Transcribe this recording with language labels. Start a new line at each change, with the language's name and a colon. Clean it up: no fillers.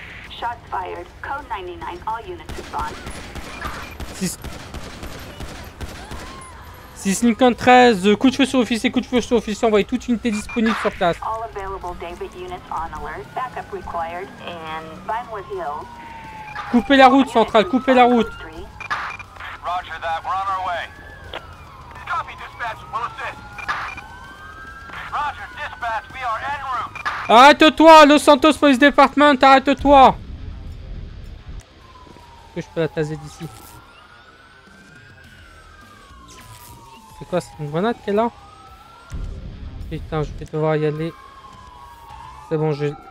English: Shot fired. Code 99. All units respond.
French: C'est Lincoln 13, coup de feu sur officier, coup de feu sur officier, envoyez toute unité disponible sur place.
English: All available David units on alert, backup required, and Vinewood Hills.
French: Coupez la route, centrale, coupez la route.
English: Roger that, we're on our way. Copy, dispatch, we'll assist. Roger, dispatch, we are en route.
French: Arrête-toi, Los Santos Police Department, arrête-toi. Est-ce que je peux la taser d'ici? C'est quoi, c'est une grenade qui est là? Putain, je vais devoir y aller. C'est bon, je...